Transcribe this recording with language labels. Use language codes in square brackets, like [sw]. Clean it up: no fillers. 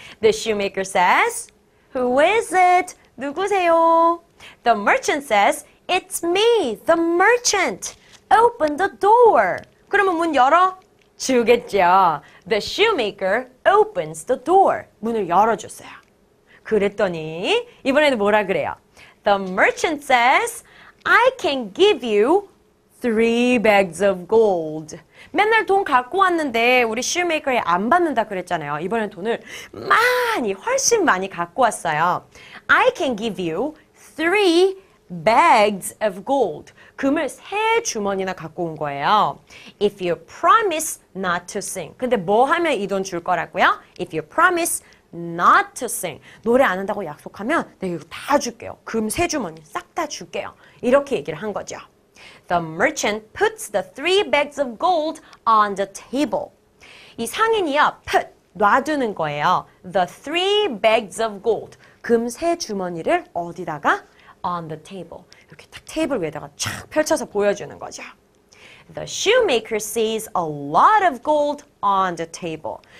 [en] The shoemaker says, Who is it? [ko] 누구세요? [en] The merchant says, It's me, the merchant. Open the door. [ko] 그러면 문 열어? 주겠죠. [en] The shoemaker opens the door. [ko] 문을 열어줬어요. 그랬더니 이번에도 뭐라 그래요? [en] The merchant says, I can give you 3 bags of gold. [ko] 맨날 돈 갖고 왔는데 우리 shoemaker이 안 받는다 그랬잖아요. 이번엔 돈을 많이, 훨씬 많이 갖고 왔어요. [en] I can give you 3 bags of gold. [ko] 금을 세 주머니나 갖고 온 거예요. [en] If you promise not to sing. [ko] 근데 뭐 하면 이 돈 줄 거라고요? [en] If you promise not to sing. [ko] 노래 안 한다고 약속하면 내가 이거 다 줄게요. 금 세 주머니 싹 다 줄게요. 이렇게 얘기를 한 거죠. [en] The merchant puts the 3 bags of gold on the table. [ko] 이 상인이요, [en] put, [ko] 놔두는 거예요. [en] The 3 bags of gold, [ko] 금 세 주머니를 어디다가? [en] On the table. [ko] 이렇게 딱 테이블 위에다가 쫙 펼쳐서 보여주는 거죠. [en] The shoemaker sees a lot of gold on the table.